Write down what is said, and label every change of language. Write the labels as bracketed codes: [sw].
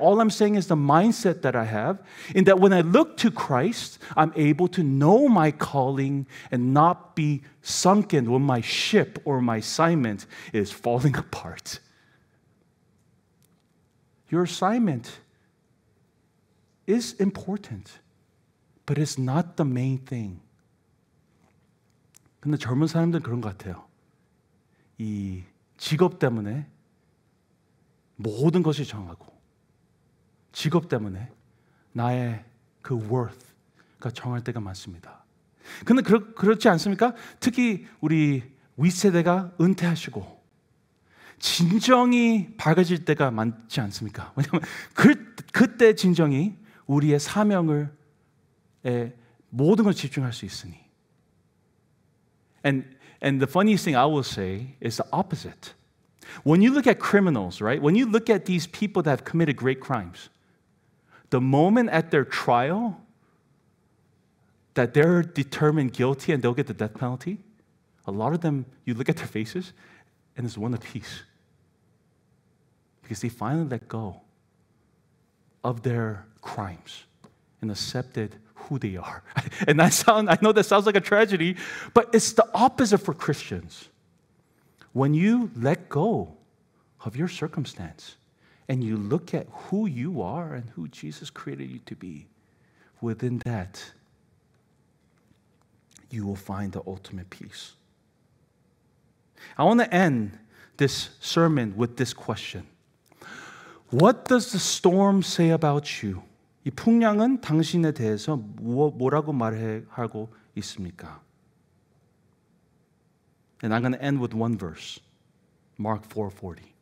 [en] All I'm saying is the mindset that I have in that when I look to Christ, I'm able to know my calling and not be sunken when my ship or my assignment is falling apart. Your assignment is important, but it's not the main thing. [ko] 근데 젊은 사람들은 그런 것 같아요. 이 직업 때문에 모든 것이 정하고 직업 때문에 나의 그 worth가 정할 때가 많습니다. 근데 그렇지 않습니까? 특히 우리 윗세대가 은퇴하시고 진정이 밝아질 때가 많지 않습니까? 왜냐하면 그때 진정이 우리의 사명을 모든 걸 집중할 수 있으니. [en] And the funniest thing I will say is the opposite. When you look at criminals, right? When you look at these people that have committed great crimes, the moment at their trial that they're determined guilty and they'll get the death penalty, a lot of them, you look at their faces and it's one of peace. Because they finally let go of their crimes and accepted who they are. And I know that sounds like a tragedy, but it's the opposite for Christians. When you let go of your circumstance and you look at who you are and who Jesus created you to be, within that, you will find the ultimate peace. I want to end this sermon with this question. What does the storm say about you? [ko] 이 풍랑은 당신에 대해서 뭐라고 말하고 있습니까? [en] And I'm going to end with one verse, Mark 4:40.